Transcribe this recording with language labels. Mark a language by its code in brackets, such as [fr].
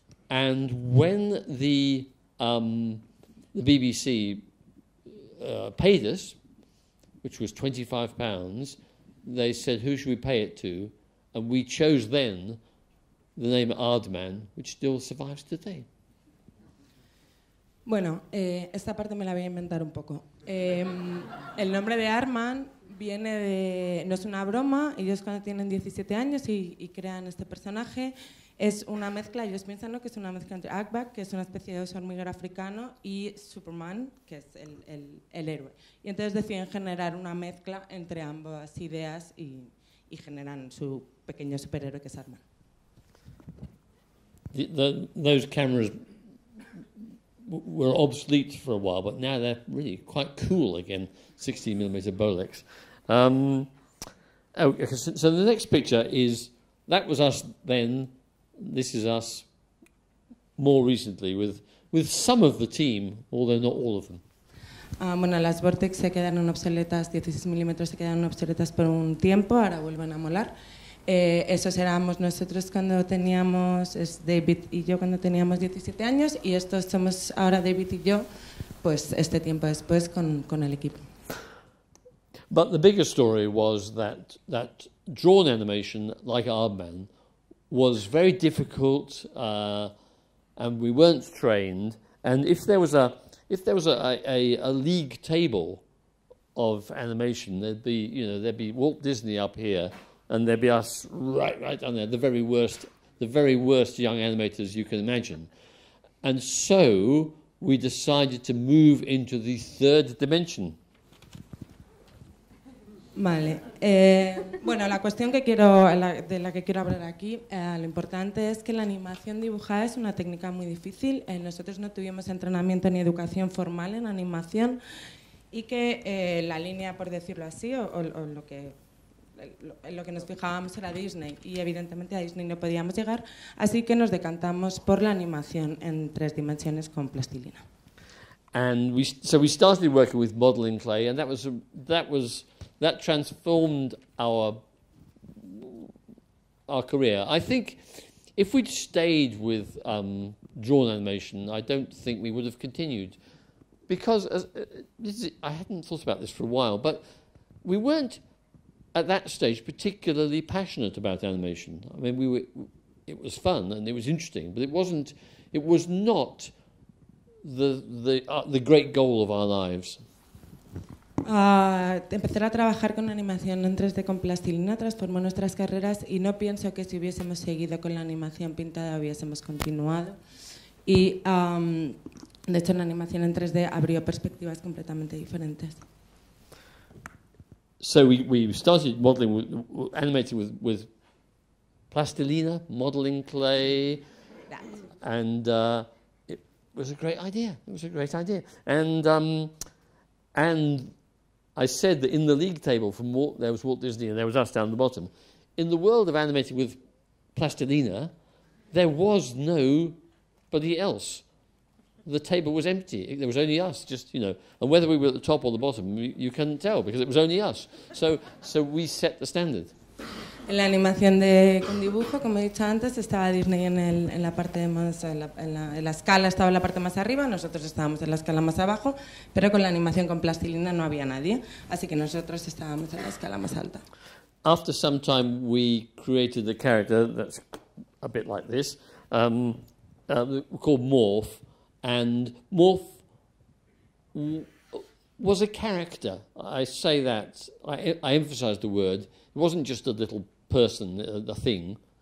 [en] And when the BBC paid us, which was £25, they said, who should we pay it to? And we chose then the name Aardman, which still survives today. [es] Bueno, esta parte me la voy a inventar un poco. El nombre de Aardman viene de, no es una broma, ellos cuando tienen 17 años y crean este personaje, es una mezcla, ellos piensan, ¿no?, que es una mezcla entre Aardman, que es una especie de hormiguero africano, y Superman, que es el héroe. Y entonces deciden generar una mezcla entre ambas ideas y generan su pequeño superhéroe, que es Aardman. [en] Those cameras were obsolete for a while, but now they're really quite cool again, 16mm Bolex. So the next picture is, that was us then, this is us more recently with some of the team, although not all of them. [es] Bueno, las Vortex se quedaron obsoletas, 16mm se quedaron obsoletas por un tiempo, ahora vuelven a molar. Esos éramos nosotros cuando teníamos, es David y yo cuando teníamos 17 años, y estos somos ahora David y yo, pues este tiempo después con el equipo. [en] But the bigger story was that drawn animation, like Aardman, was very difficult, and we weren't trained. And if there was a league table of animation, there'd be Walt Disney up here, and there'd be us right down there, the very worst young animators you can imagine. And so we decided to move into the third dimension. [es] Vale. Bueno, la cuestión que quiero, de la que quiero hablar aquí, lo importante es que la animación dibujada es una técnica muy difícil. Nosotros no tuvimos entrenamiento ni educación formal en animación, y que la línea, por decirlo así, o lo que lo que nos fijábamos era Disney y evidentemente a Disney no podíamos llegar, así que nos decantamos por la animación en tres dimensiones con plastilina. [en] And we started working with modeling clay, and that transformed our career. I think if we'd stayed with drawn animation, I don't think we would have continued, because I hadn't thought about this for a while, but we weren't at that stage particularly passionate about animation. I mean, it was fun and it was interesting, but it was not. The great goal of our lives. [es] Empezar a trabajar con animación en 3D con plastilina transformó nuestras carreras y no pienso que si hubiésemos seguido con la animación pintada hubiésemos continuado. Y de hecho, la animación en 3D abrió perspectivas completamente diferentes. [en] So we started modeling animating with plastilina, modeling clay, and it was a great idea. It was a great idea. And I said that in the league table there was Walt Disney and there was us down the bottom. In the world of animating with plastilina, there was nobody else. The table was empty. There was only us, just, you know. And whether we were at the top or the bottom, you couldn't tell because it was only us. So we set the standard. [es] En la animación con dibujo, como he dicho antes, estaba Disney en la escala, estaba en la parte más arriba, nosotros estábamos en la escala más abajo, pero con la animación con plastilina no había nadie, así que nosotros estábamos en la escala más alta. [en] After some time we created a character that's a bit like this, called Morph, and Morph was a character. I say that, I emphasize the word. It wasn't just a little person, the thing.